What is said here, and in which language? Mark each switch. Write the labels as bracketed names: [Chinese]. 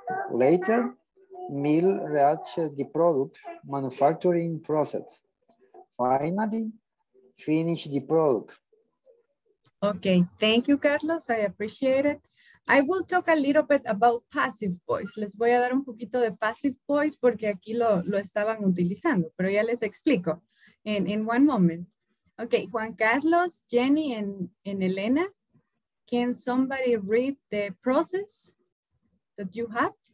[English] Later, milk reaches the product manufacturing process. Finally, finish the product. Okay, thank you, Carlos. I appreciate it. I will talk a little bit about passive voice. [Spanish] Les voy a dar un poquito de passive voice porque aquí lo estaban utilizando, pero ya les explico [English] in one moment. Okay, Juan Carlos, Jenny, and Elena, can somebody read the process that you have?